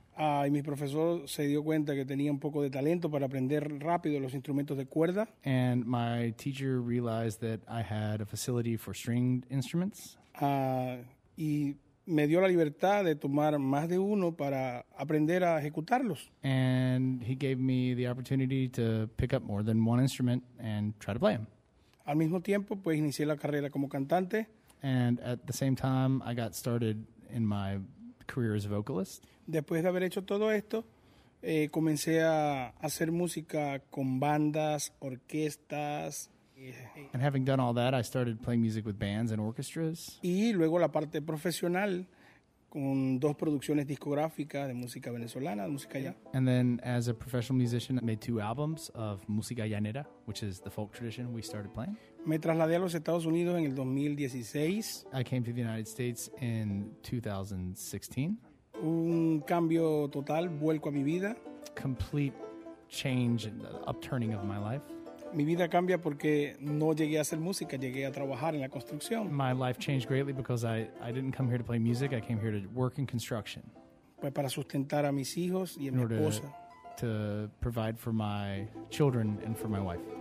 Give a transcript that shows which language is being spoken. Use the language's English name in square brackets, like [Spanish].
[Spanish] Y mi profesor se dio cuenta que tenía un poco de talento para aprender rápido los instrumentos de cuerda. [English] And my teacher realized that I had a facility for stringed instruments. [Spanish] Y me dio la libertad de tomar más de uno para aprender a ejecutarlos. [English] And he gave me the opportunity to pick up more than one instrument and try to play them. [Spanish] Al mismo tiempo, pues, inicié la carrera como cantante. [English] And at the same time, I got started in my career as a vocalist. [Spanish] Después de haber hecho todo esto, comencé a hacer música con bandas, orquestas. [English] And having done all that, I started playing music with bands and orchestras. [Spanish] Y luego la parte profesional con dos producciones discográficas de música venezolana, música llanera. [English] And then as a professional musician, I made 2 albums of música llanera, which is the folk tradition we started playing. [Spanish] Me trasladé a los Estados Unidos en el 2016. [English] I came to the United States in 2016. [Spanish] Un cambio total, vuelco a mi vida. [English] Complete change and upturning of my life. [Spanish] Mi vida cambia porque no llegué a hacer música, llegué a trabajar en la construcción. [English] My life changed greatly because I didn't come here to play music, I came here to work in construction. [Spanish] Pues para sustentar a mis hijos y a mi esposa. [English] To provide for my children and for my wife.